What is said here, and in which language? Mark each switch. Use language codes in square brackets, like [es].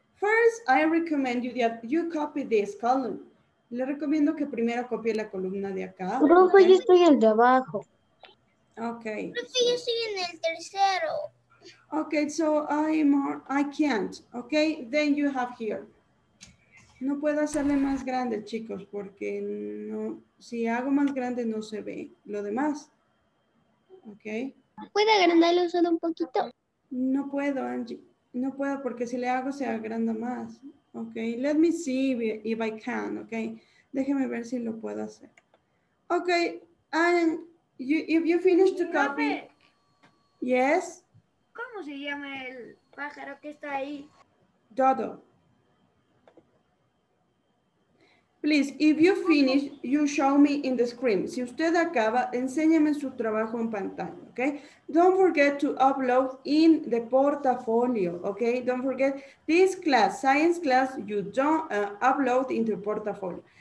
[en] First, I recommend you that you copy this column. [es] Le recomiendo que primero copie la columna de acá. Profe, yo estoy en el de abajo. [en] Okay. [es] Profe, yo estoy en el tercero. [en] Okay, so I can't. Okay, then you have here. [es] No puedo hacerle más grande, chicos, porque no. Si hago más grande, no se ve lo demás. [en] Okay. [es] ¿Puede agrandarlo solo un poquito? No puedo, Angie. No puedo porque si le hago se agranda más. [en] Ok, let me see if I can, ok. [es] Déjeme ver si lo puedo hacer. [en] Ok, and you, if you finish to copy. Yes. [es] ¿Cómo se llama el pájaro que está ahí? [en] Dodo. Please, if you finish, you show me in the screen. [es] Si usted acaba, enséñeme su trabajo en pantalla, okay? [en] Don't forget to upload in the portfolio, okay? Don't forget this class, science class, you don't upload in the portfolio.